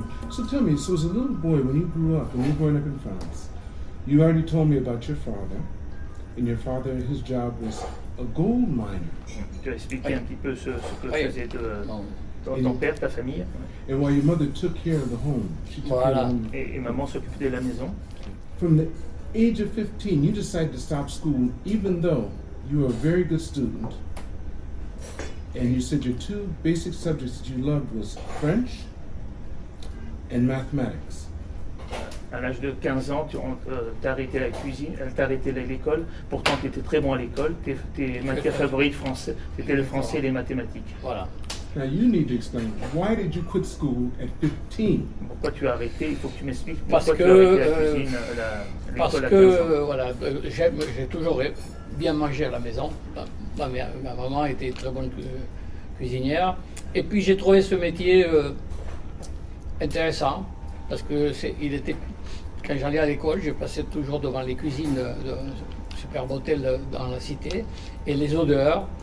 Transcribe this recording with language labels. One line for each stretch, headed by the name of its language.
English: So tell me, as a little boy, when you grew up, when you were growing up in France, you already told me about your father, and your father, his job was a gold miner.
French: Tu as expliqué un petit peu ce que faisait ton père, ta famille.
English: And while your mother took care of the home, she took
French: voilà.
English: care of
French: home. Et maman s'occupait de la maison.
English: From the age of 15, you decided to stop school, even though you were a very good student. And you said your two basic subjects that you loved was French and mathematics.
French: À l'âge de 15 ans, t'as arrêté la cuisine, t'as arrêté l'école. Pourtant, tu étais très bon à l'école. Tes matières favorites français, c'était le français et les mathématiques. Voilà.
English: Now you need to explain why did you quit school at 15?
French: Pourquoi tu as arrêté? Il faut que tu m'expliques. Parce que tu as arrêté la cuisine, l'école. Parce que voilà, j'ai toujours bien mangé à la maison. Ma maman était très bonne cuisinière. Et puis j'ai trouvé ce métier intéressant. Parce que quand j'allais à l'école, je passais toujours devant les cuisines de superbe hôtel dans la cité et les odeurs.